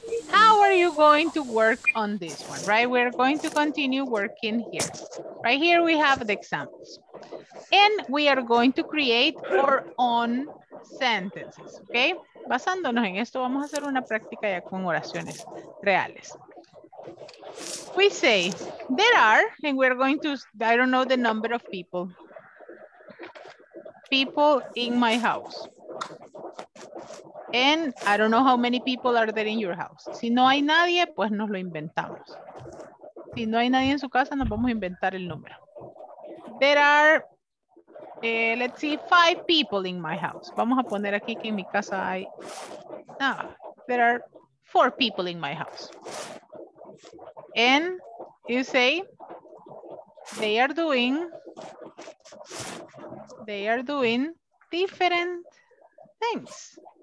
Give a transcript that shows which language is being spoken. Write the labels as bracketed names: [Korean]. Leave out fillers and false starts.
[English] How are you going to work on this one, right? We're going to continue working here. Right here we have the examples. And we are going to create our own sentences, okay? [Spanish] Basándonos en esto, vamos a hacer una práctica ya con oraciones reales. [English] We say, there are, and we're going to, I don't know the number of people in my house. And I don't know how many people are there in your house. [Spanish] Si no hay nadie, pues nos lo inventamos. Si no hay nadie en su casa, nos vamos a inventar el número. [English] There are, let's see, 5 people in my house. [Spanish] Vamos a poner aquí que en mi casa hay, [English] there are 4 people in my house. And you say, they are doing different things.